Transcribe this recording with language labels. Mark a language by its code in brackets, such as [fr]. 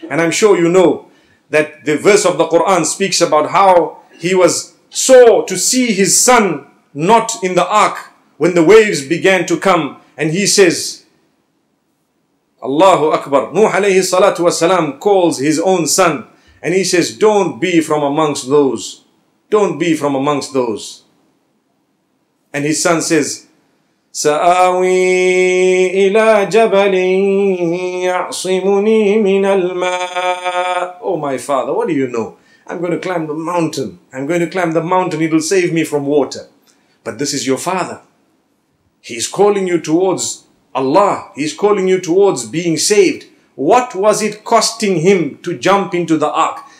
[en] And I'm sure you know that the verse of the Quran speaks about how he was sore to see his son not in the ark when the waves began to come. And he says, Allahu Akbar. Nuh alayhi salatu wasalam calls his own son. And he says, don't be from amongst those. Don't be from amongst those. And his son says, [ar] سآوي إلى جبل يعصمني من الماء. [en] Oh my father, what do you know? I'm going to climb the mountain. I'm going to climb the mountain. It'll save me from water. But this is your father. He's calling you towards Allah. He's calling you towards being saved. What was it costing him to jump into the ark?